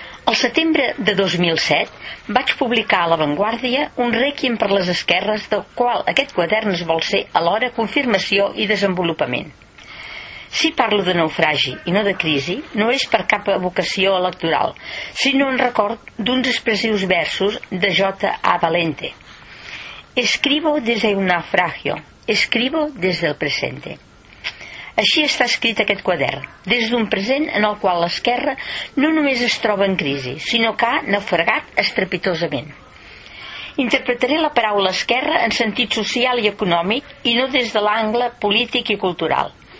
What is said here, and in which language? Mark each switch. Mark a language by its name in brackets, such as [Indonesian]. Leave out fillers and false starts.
[Catalan] Al setembre de 2007 vaig publicar a La Vanguardia un rèquiem per les esquerres del qual aquest quadern es vol ser alhora confirmació i desenvolupament. Si parlo de naufragi i no de crisi, no és per cap vocació electoral, sinó en record d'uns expressius versos de J.A. Valente. [Spanish] Escribo desde un naufragio, escribo desde el presente. [Catalan] Així està escrit aquest quadern, des d'un present en el qual l'esquerra no només es troba en crisi, sinó que ha naufragat estrepitosament. Interpretaré la paraula esquerra en sentit social i econòmic i no des de l'angle polític i cultural.